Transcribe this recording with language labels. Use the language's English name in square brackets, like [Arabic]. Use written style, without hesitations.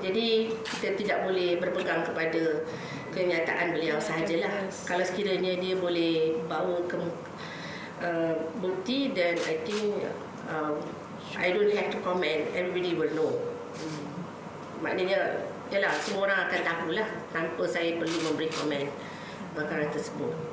[Malay] Jadi kita tidak boleh berpegang kepada kenyataan beliau sahajalah. Kalau sekiranya dia boleh bawa ke bukti, [English] then I think I don't have to comment. Everybody will know. [Malay] Maknanya, yalah, semua orang akan tahulah tanpa saya perlu memberi komen perkara tersebut.